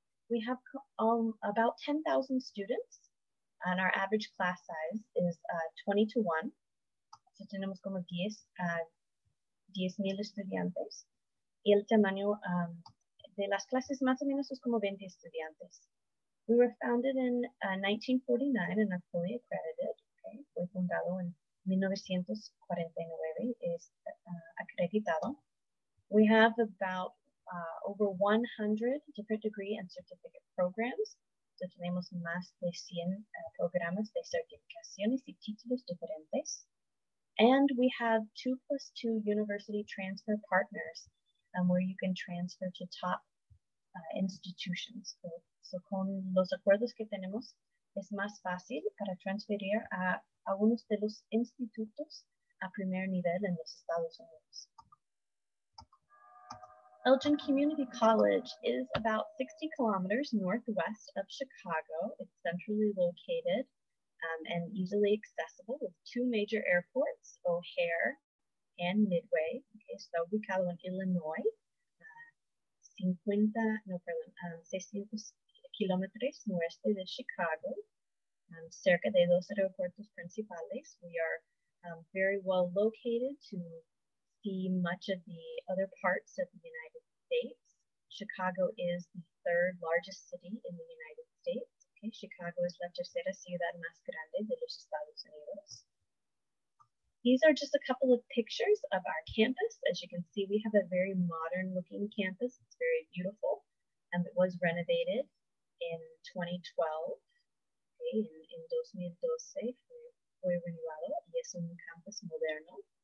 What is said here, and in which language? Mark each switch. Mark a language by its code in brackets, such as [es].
[en] We have about 10,000 students, and our average class size is 20-1. [es] So tenemos como 10,000 estudiantes. Y el tamaño de las clases más o menos es como 20 estudiantes. [en] We were founded in 1949 and are fully accredited. Okay? [es] Fue fundado en 1949 y es acreditado. [en] We have about over 100 different degree and certificate programs. [es] So tenemos más de 100 programas de certificaciones y títulos diferentes. [en] And we have 2+2 university transfer partners where you can transfer to top institutions. [es] So con los acuerdos que tenemos, es más fácil para transferir a algunos de los institutos a primer nivel en los Estados Unidos. [en] Elgin Community College is about 60 kilometers northwest of Chicago. It's centrally located and easily accessible with 2 major airports, O'Hare and Midway. [es] Okay, so ubicado en Illinois, 600 kilometers noreste de Chicago, cerca de los aeropuertos principales. [en] We are very well located to see much of the other parts of the United States. Chicago is the 3rd largest city in the United States. Okay, Chicago is [es] la tercera ciudad más grande de los Estados Unidos. [en] These are just a couple of pictures of our campus. As you can see, we have a very modern looking campus. It's very beautiful. And it was renovated in 2012. Okay, in 2012, [es] fue renovado. Y es un campus moderno.